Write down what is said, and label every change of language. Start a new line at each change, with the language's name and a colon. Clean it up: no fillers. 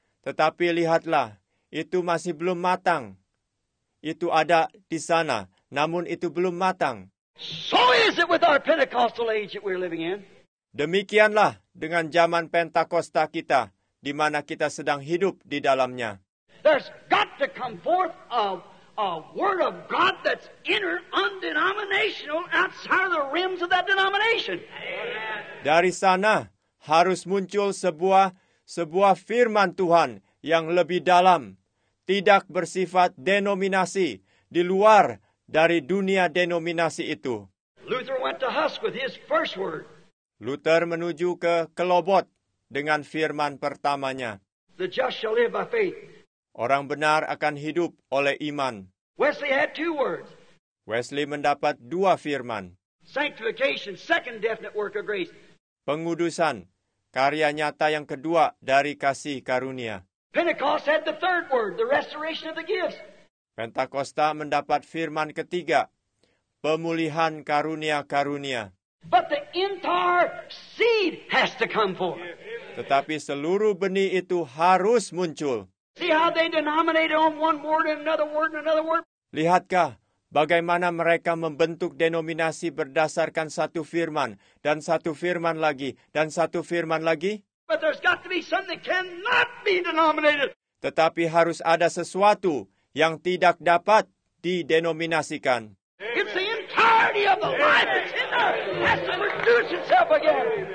Indonesian: Tetapi lihatlah, itu masih belum matang. Itu ada di sana, namun itu belum matang.
English: So is it with our Pentecostal age that we're living in.
Indonesian: Demikianlah dengan zaman Pentakosta kita, di mana kita sedang hidup di dalamnya.
English: There's got to come forth a word of God that's inner, undenominational, outside of the realms of that denomination.
Indonesian: Dari sana harus muncul sebuah firman Tuhan yang lebih dalam, tidak bersifat denominasi, di luar dari dunia denominasi itu.
English: Luther went to Huss with his first word.
Indonesian: Luther menuju ke Kelobot dengan firman pertamanya.
English: The just shall live by faith.
Indonesian: Orang benar akan hidup oleh iman.
English: Wesley had two words.
Indonesian: Wesley mendapat dua firman.
English: Sanctification, second definite work of grace.
Indonesian: Pengudusan, karya nyata yang kedua dari kasih karunia.
English: Pentecost had the third word, the restoration of the gifts.
Indonesian: Pentakosta mendapat firman ketiga, pemulihan karunia-karunia.
English: But the entire seed has to come forth.
Indonesian: Tetapi seluruh benih itu harus muncul.
English: See how they denominate on one word and another word and another word?
Indonesian: Lihatkah bagaimana mereka membentuk denominasi berdasarkan satu firman dan satu firman lagi dan satu firman lagi?
English: But there's got to be something that cannot be denominated.
Indonesian: Tetapi harus ada sesuatu yang tidak dapat didenominasikan.
English: Amen. It's the entirety of the life that's in there has to reduce itself again.